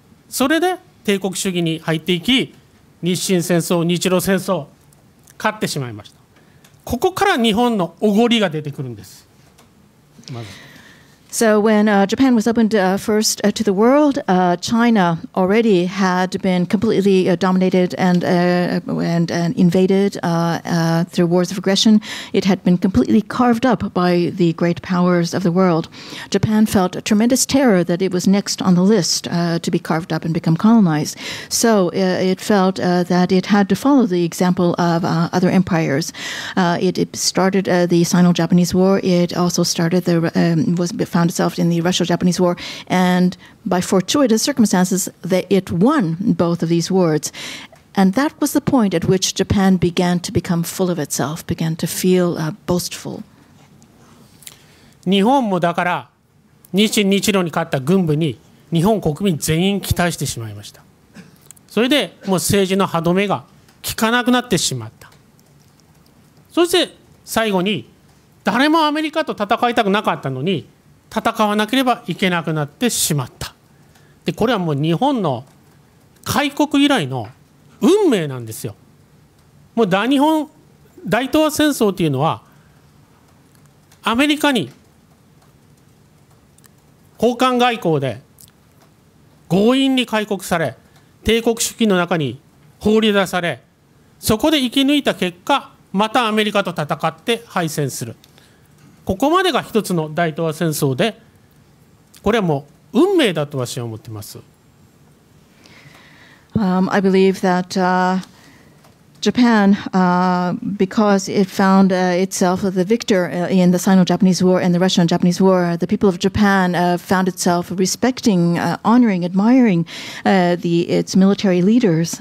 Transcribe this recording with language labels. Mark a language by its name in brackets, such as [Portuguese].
[Japanese] それで帝国主義に入っていき、日清戦争、日露戦争勝ってしまいました。ここから日本のおごりが出てくるんです。まず [English] So when Japan was opened first to the world, China already had been completely dominated and invaded through wars of aggression. It had been completely carved up by the great powers of the world. Japan felt a tremendous terror that it was next on the list to be carved up and become colonized. So it felt that it had to follow the example of other empires. It started the Sino-Japanese War. It also started the was found itself in the Russo-Japanese War, and by fortuitous circumstances, that it won both of these wars, and that was the point at which Japan began to become full of itself, began to feel boastful. [Japanese] 日本もだから日清日露に勝った軍部に日本国民全員期待してしまいました。それでもう政治の歯止めが効かなくなってしまった。そして最後に誰もアメリカと戦いたくなかったのに戦わなければいけなくなってしまった。でこれはもう日本の開国以来の運命なんですよ。もう大日本大東亜戦争というのはアメリカに交換外交で強引に開国され、帝国主義の中に放り出され、そこで生き抜いた結果またアメリカと戦って敗戦する。ここまでが一つの大東亜戦争で、これはもう運命だと私は思っています。 [English] I believe that Japan, because it found itself the victor in the Sino-Japanese War and the Russian-Japanese War, the people of Japan found itself respecting, honoring, admiring its military leaders.